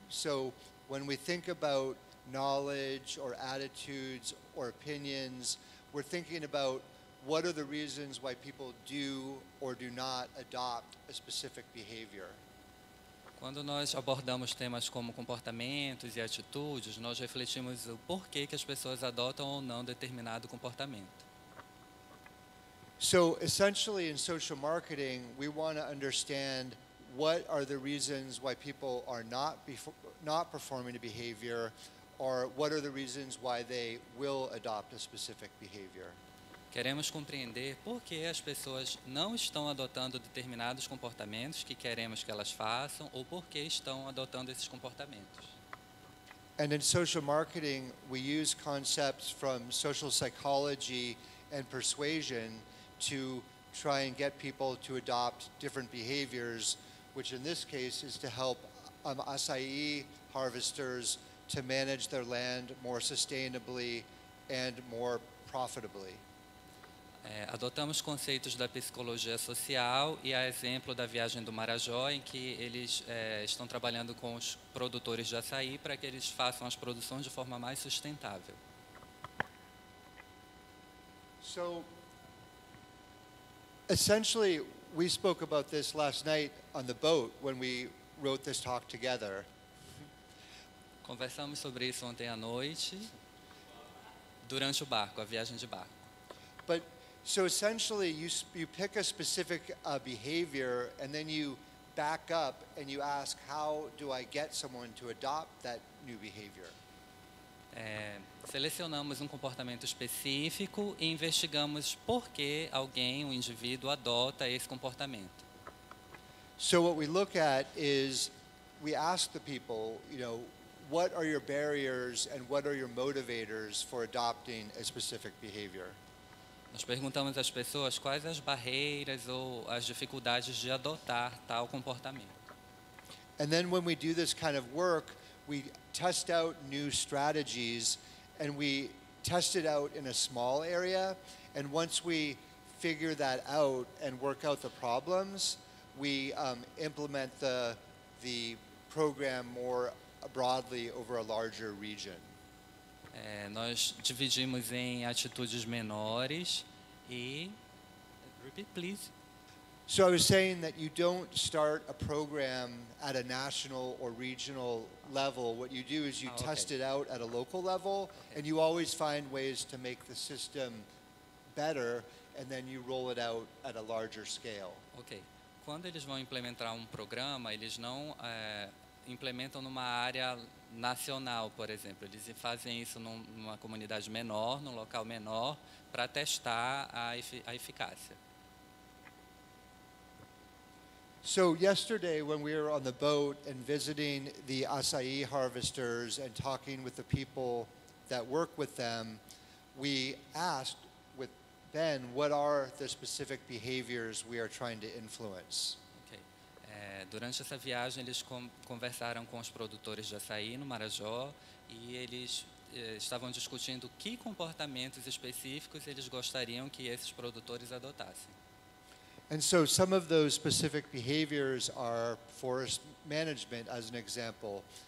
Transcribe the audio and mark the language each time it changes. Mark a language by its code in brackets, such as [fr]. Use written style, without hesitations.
[en] So when we think about knowledge or attitudes or opinions, we're thinking about what are the reasons why people do or do not adopt a specific behavior. [pt] Quando nós abordamos temas como comportamentos e atitudes, nós refletimos o porquê que as pessoas adotam ou não determinado comportamento. [en] So essentially in social marketing, we want to understand what are the reasons why people are not performing a behavior, or what are the reasons why they will adopt a specific behavior. [pt] Queremos compreender por que as pessoas não estão adotando determinados comportamentos que queremos que elas façam, ou por que estão adotando esses comportamentos. [en] And in social marketing, we use concepts from social psychology and persuasion to try and get people to adopt different behaviors, which in this case is to help acai harvesters to manage their land more sustainably and more profitably. [pt] Adotamos conceitos da psicologia social e a exemplo da viagem do Marajó, em que eles estão trabalhando com os produtores de açaí para que eles façam as produções de forma mais sustentável. [en] So, essentially, we spoke about this last night on the boat when we wrote this talk together. [pt] Conversamos sobre isso ontem à noite, durante o barco, a viagem de barco. [en] But so essentially, you pick a specific behavior and then you back up and you ask, how do I get someone to adopt that new behavior? [pt] Selecionamos um comportamento específico e investigamos por que alguém, um indivíduo, adota esse comportamento. [en] So what we look at is we ask the people, you know, what are your barriers and what are your motivators for adopting a specific behavior? [pt] Nós perguntamos às pessoas quais as barreiras ou as dificuldades de adotar tal comportamento. [en] And then when we do this kind of work, we test out new strategies and we test it out in a small area, and once we figure that out and work out the problems, we implement the program more broadly over a larger region. [pt] Nós dividimos em atitudes menores e... [en] Repeat, please. So I was saying that you don't start a program at a national or regional level. What you do is you test it out at a local level, and you always find ways to make the system better, and then you roll it out at a larger scale. Okay. [pt] Quando eles vão implementar programa, eles não implementam numa área nacional, por exemplo. Eles fazem isso numa comunidade menor, num local menor, para testar a eficácia. [en] So yesterday when we were on the boat and visiting the acai harvesters and talking with the people that work with them, we asked with Ben what are the specific behaviors we are trying to influence. Okay. [pt] Durante essa viagem eles conversaram com os produtores de açaí no Marajó e eles estavam discutindo que comportamentos específicos eles gostariam que esses produtores adotassem. [en] And so some of those specific behaviors are forest management, as an example.